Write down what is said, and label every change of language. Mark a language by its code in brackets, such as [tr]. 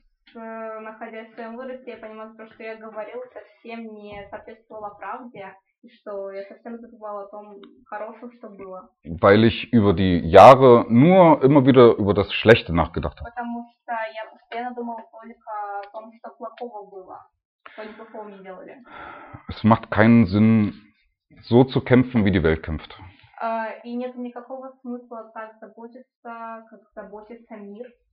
[ru] Находясь в своем возрасте, я понимаю, что то, что я говорил, совсем не соответствовало правде, и что я совсем забывала о том хорошем, что было. [de] Weil ich über die Jahre nur immer wieder über das Schlechte nachgedacht habe. [ru] Потому что я постоянно думала только о том, что плохого было, что они плохого мне делали. [de] Es macht keinen Sinn, so zu kämpfen, wie die Welt kämpft. [ru] И нет никакого смысла так заботиться, как заботится мир.